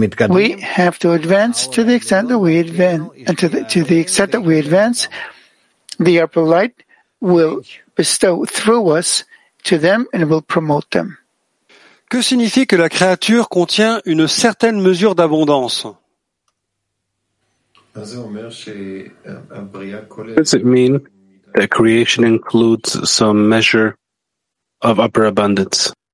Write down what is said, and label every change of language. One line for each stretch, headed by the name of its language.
English: We have to advance to the extent that we advance, and to the extent that we advance, the upper light will bestow through us to them and will promote them.
French: Que signifie que la créature contient une certaine mesure d'abondance?
English: Does it mean that creation includes some measure of upper abundance?